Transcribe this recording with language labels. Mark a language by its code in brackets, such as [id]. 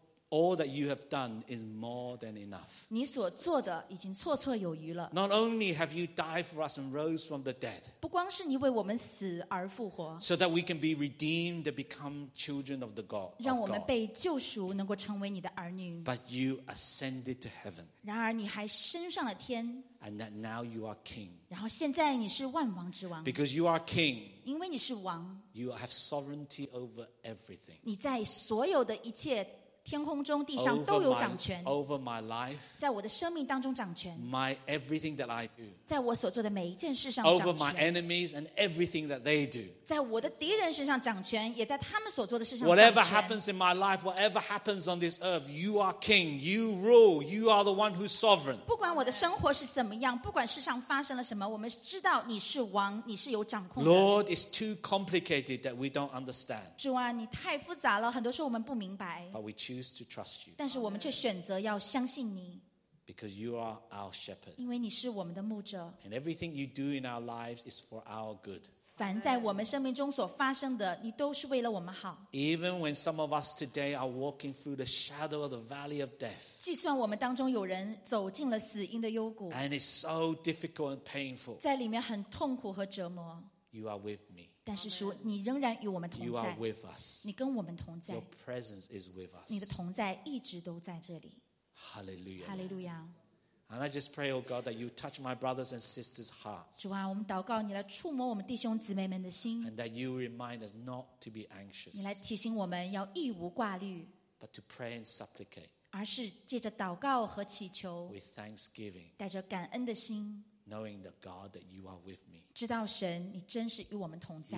[en] All that you have done is more than enough. [zh] 你所做的已经绰绰有余了。 [en] Not only have you died for us and rose from the dead. [zh] 不光是你为我们死而复活。 [en] So that we can be redeemed and become children of the God. [zh] 让我们被救赎，能够成为你的儿女。 [en] But you ascended to heaven. [zh] 然而你还升上了天。 [en] And that now you are king. [zh] 然后现在你是万王之王。 [en] Because you are king. [zh] 因为你是王。 [en] You have sovereignty over everything. [zh] 你在所有的一切。天空中地上都有掌权 [en] over my life, [zh] 在我的生命当中掌权 [en] my everything that I do, [zh] 在我所做的每一件事上掌权 [en] over my enemies and everything that they do, [zh] 在我的敌人身上掌权也在他们所做的事上掌 [en] 权 whatever happens in my life, whatever happens on this earth, you are king, you rule, you are the one who's sovereign. [zh] 不管我的生活是怎么样不管世上发生了什么我们知道你是王你是有掌控的 [en] Lord, it's too complicated that we don't understand. [zh] 主啊你太复杂了很多时候我们不明白 [en] But we choose to trust you. [zh] 但是我们却选择要相信你 [en] Because you are our shepherd. [zh] 因为你是我们的牧者 [en] And everything you do in our lives is for our good. [zh] 凡在我们生命中所发生的你都是为了我们好 [en] Even when some of us today are walking through the shadow of the valley of death. [zh] 即算我们当中有人走进了死荫的幽谷 [en] And it's so difficult and painful. [zh] 在里面很痛苦和折磨 [en] You are with me. [zh] 但是主，你仍然与我们同在。 [en] You are with us. [zh] 你跟我们同在。 [en] Your presence is with us. [zh] 你的同在一直都在这里。 [en] Hallelujah. Hallelujah. And I just pray, O God, that you touch my brothers and sisters' hearts. [zh] 主啊，我们祷告你来触摸我们弟兄姊妹们的心。 [en] And that you remind us not to be anxious. [zh] 你来提醒我们要一无挂虑。 [en] But to pray and supplicate. [zh] 而是借着祷告和祈求。 [en] With thanksgiving. [zh] 带着感恩的心。 [en] Knowing the God that you are with me, [zh] 知道神，你真是与我们同在。